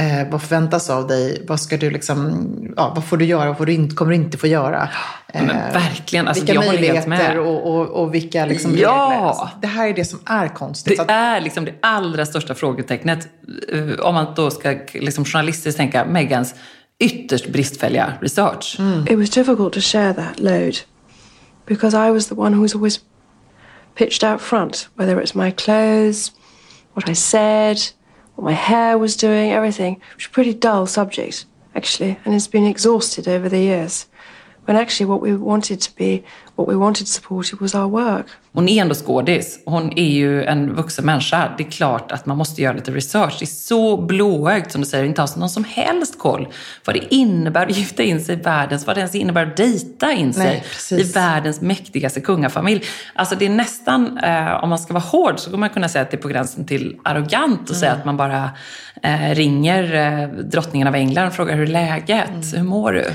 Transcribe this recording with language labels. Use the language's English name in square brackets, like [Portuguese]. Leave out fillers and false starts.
[Swedish] Vad förväntas av dig? Vad ska du liksom, vad får du göra och vad kommer du inte få göra? Men verkligen, alltså, vilka jag håller helt med. Och vilka liksom regler. Alltså, det här är det som är konstigt. Det så att, är liksom det allra största frågetecknet, om man då ska liksom journalistiskt tänka, Meghans ytterst bristfälliga research. [English] Mm. It was difficult to share that load because I was the one who was always pitched out front, whether it's my clothes, what I said, what my hair was doing, everything. It was a pretty dull subject actually, and it's been exhausted over the years. When actually what we wanted to be, what we wanted to support was our work. [Swedish] Hon är ändå skådis. Hon är ju en vuxen människa. Det är klart att man måste göra lite research. Det är så blåögt som du säger. Inte ha någon som helst koll vad det innebär att gifta in sig i världens, vad det ens innebär att dejta in sig. Nej, i världens mäktigaste kungafamilj. Alltså det är nästan, om man ska vara hård så kan man kunna säga att det är på gränsen till arrogant och säga att man bara ringer drottningen av England och frågar hur läget, hur mår du?